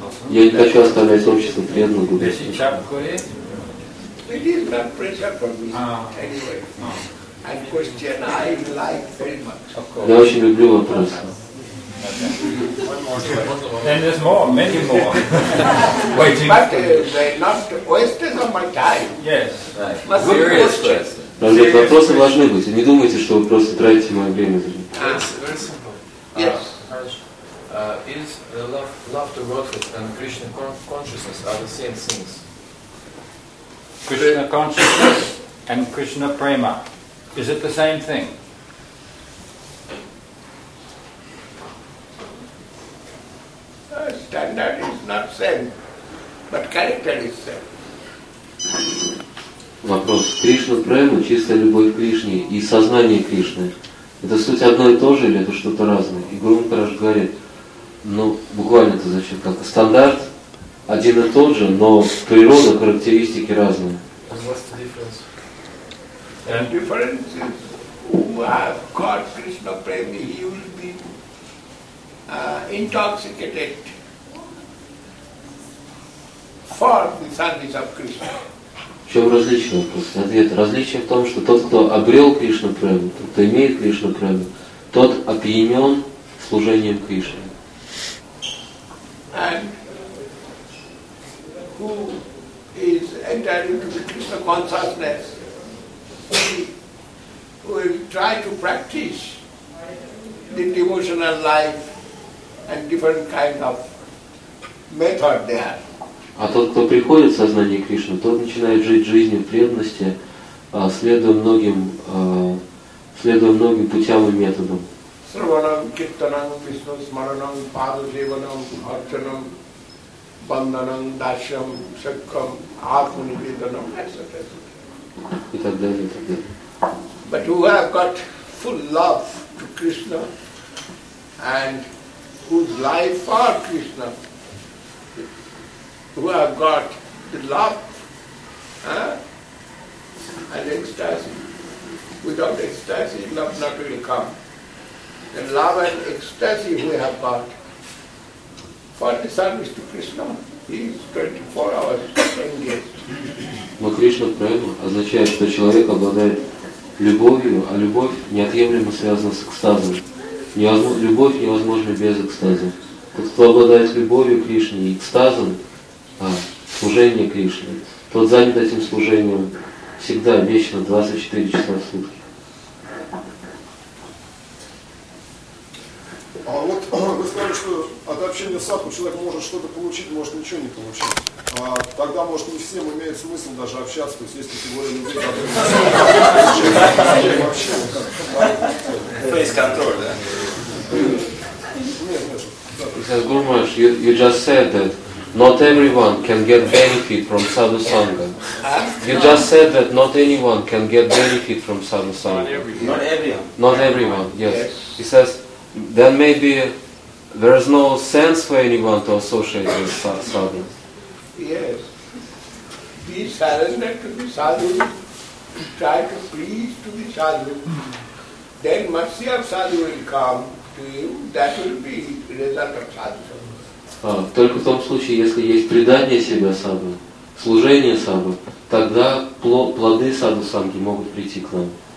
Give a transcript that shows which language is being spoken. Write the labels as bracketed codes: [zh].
[ru] Я не хочу оставлять общество преданного Гуру. [en] It is not pressure for me, anyway. And question I like very much. [ru] Я очень люблю вопросы. [en] Then there's more, many more. Waiting. But not wasted on my time. Yes. Right. Good serious question. [ru] Но ведь вопросы должны быть. Не думайте, что вы просто тратите мое время. [en] Very simple. Yes. Is the love to Godhead and Krishna consciousness are the same things? Krishna consciousness and Krishna prema, is it the same thing? standard is not same, but character is same. [ru] Вопрос. Кришна Прайма, чистая любовь к Кришне и сознание Кришны. Это суть одно и то же или это что-то разное? И Гуру Махарадж говорит, ну, буквально это значит как стандарт, один и тот же, но природа, характеристики разные. [en] What's the difference? And difference is, who have got Krishna Prema, he will be intoxicated for the service of Krishna. [ru] В чем различие? Просто ответ. Различие в том, что тот, кто обрел Кришну Прему, тот, кто имеет Кришну Прему, тот опьянен служением Кришне. [en] And who is entered into the Krishna consciousness, he will try to practice the devotional life and different kind of method there. [ru] А тот, кто приходит в сознание Кришны, тот начинает жить жизнью преданности, следуя многим путям и методам. [sa] Сарванам, киртанам, Кришна смаранам, падасеванам, арчанам, банданам, дашам, шакхам, атманибеданам, [ru] и так далее, и так далее. [en] But who have got full love to Krishna and whose life for Krishna, who have got the love and ecstasy. Without ecstasy, love not really come. And love and ecstasy we have got for the service to Krishna. He is 24 hours engaged. [ru] Но Кришна Прайма означает, что человек обладает любовью, а любовь неотъемлемо связана с экстазом. Любовь невозможна без экстаза. Тот, кто обладает любовью Кришне и экстазом, служение Кришне. Тот занят этим служением всегда, вечно, 24 часа в сутки. А вот вы сказали, что от общения с садху человек может что-то получить, может ничего не получить. А тогда, может, не всем имеет смысл даже общаться, то есть есть категория людей, которые не могут вообще. Фейс-контроль, да? Нет, нет. [en] Гуру Махарадж, you just said that not everyone can get benefit from sadhu sangha. You just said that not anyone can get benefit from sadhu sangha. Not everyone. Not everyone, yes. He says, then maybe there is no sense for anyone to associate with sadhu. Yes. Be surrendered to be sadhu, try to please to be sadhu, then mercy of sadhu will come to you, that will be result of sadhu. [ru] Только в том случае, если есть предание себя саду, служение саду, тогда плоды саду санги могут прийти к нам.